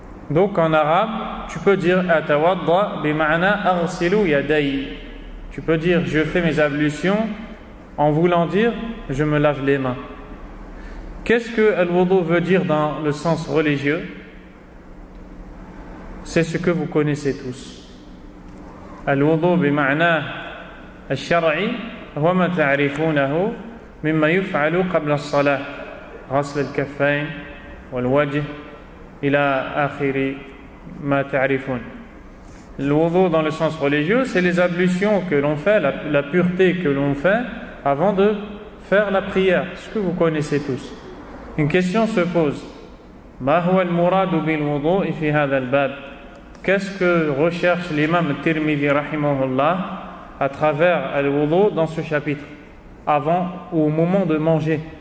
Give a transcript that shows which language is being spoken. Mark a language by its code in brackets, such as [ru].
[fr] Donc en arabe, tu peux dire atawadda bima'na aghsilu yaday. Tu peux dire je fais mes ablutions en voulant dire je me lave les mains. Qu'est-ce que al-wudu veut dire dans le sens religieux? C'est ce que vous connaissez tous. [ar] Al-wudu bima'na al-shar'i. وما تعرفونه مما يفعل قبل الصلاة غسل الكفين والوجه إلى آخر ما تعرفون. [fr] الوضوء dans le sens religieux, c'est les ablutions que l'on fait, la pureté que l'on fait avant de faire la prière, ce que vous connaissez tous. Une question se pose: ما هو المراد بالوضوء في هذا الباب؟ Qu'est-ce que recherche l'imam Tirmidhi رحمه الله à travers al-wudu dans ce chapitre, avant ou au moment de manger?